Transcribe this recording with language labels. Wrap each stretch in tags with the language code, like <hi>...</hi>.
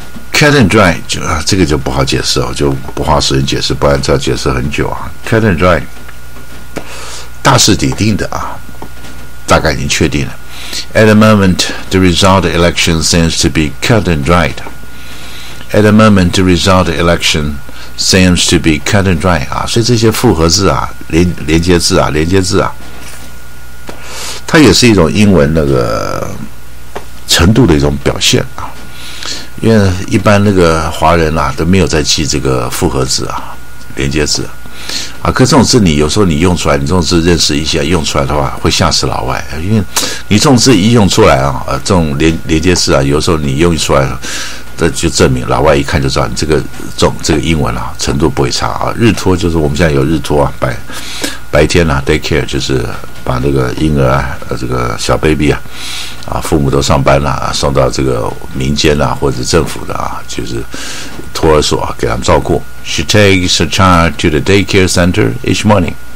<en>Cut and dry</en> <zh>就啊，这个就不好解释哦，就不花时间解释，不然再解释很久啊。</zh> <en>Cut and dry，</en> <zh>大势已定的啊，大概已经确定了。</zh> <en>At the moment, the result of the election seems to be cut and dried. At the moment, the result of the election seems to be cut and dry.</en> <zh>啊，所以这些复合字啊，连接字啊，它也是一种英文那个程度的一种表现啊。因为一般那个华人啊都没有在记这个复合字啊连接字。啊，可这种字你有时候你用出来，你这种字认识一下用出来的话，会吓死老外，因为你这种字一用出来啊，这种连接字啊，有时候你用出来，这就证明老外一看就知道你这个英文啊程度不会差啊。日托就是我们现在有日托啊，白天啊 daycare 就是把这个婴儿啊，这个小 baby 啊。啊，父母都上班了、啊、送到这个民间啊或者政府的啊，就是托儿所、啊、给他们照顾。</zh> <en>She takes a child to the daycare center each morning.</en>